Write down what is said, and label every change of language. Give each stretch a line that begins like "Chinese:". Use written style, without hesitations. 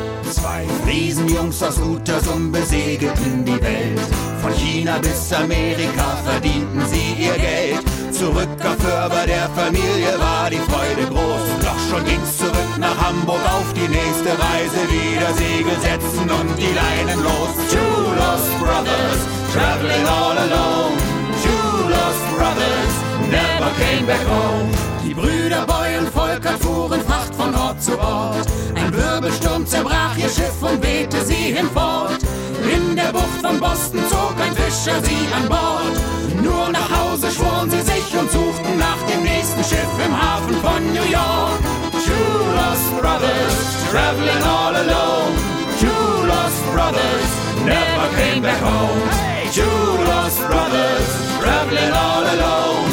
German: Zwei Riesenjungs aus Utersum besegelten die Welt. Von China bis Amerika verdienten sie ihr Geld. Zurück auf Hörber der Familie war die Freude groß. Doch schon ging's zurück nach Hamburg auf die nächste Reise. Wieder Segel setzen und die Leinen los.
English: Two lost brothers, traveling all alone. Two lost brothers, never came back home.
German: Die Brüder Boy und Volker fuhren Fracht von Ort zu Ort. Ein Wirbelsturm zerbrach ihr Schiff und wehte sie hinfort. In der Bucht von Boston zog ein Fischer sie an Bord. Nur nach Hause schworen sie sich und suchten nach dem nächsten Schiff im Hafen von New York.
English: Two lost brothers, traveling all alone. Two lost brothers, never came back home. Two lost brothers, traveling all alone.